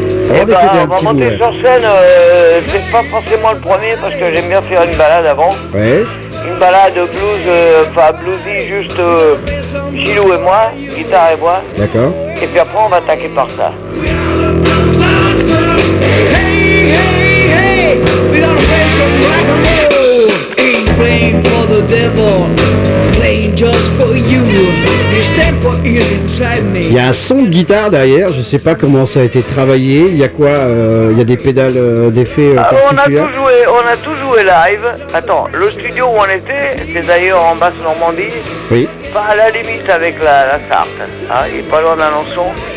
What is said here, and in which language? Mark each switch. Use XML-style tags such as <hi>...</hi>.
<fr>On va monter sur scène, c'est pas forcément le premier, parce que j'aime bien faire une balade avant. Ouais. Une balade blues, enfin bluesy, juste Gilou et moi, guitare et moi. D'accord. Et puis après on va attaquer par ça.</fr> <en>Hey, hey, hey, we gonna play some rock and roll. Ain't playing for the devil. playing just for you. This tempo is inside me.</en> <fr>Il y a un son de guitare derrière, je sais pas comment ça a été travaillé. Il y a quoi, il y a des pédales d'effet particulières. On a tout joué live. Attends, le studio où on était, c'est d'ailleurs en basse Normandie. Oui. Pas à la limite avec la Sarthe. Hein, il est pas loin d'Alençon.</fr>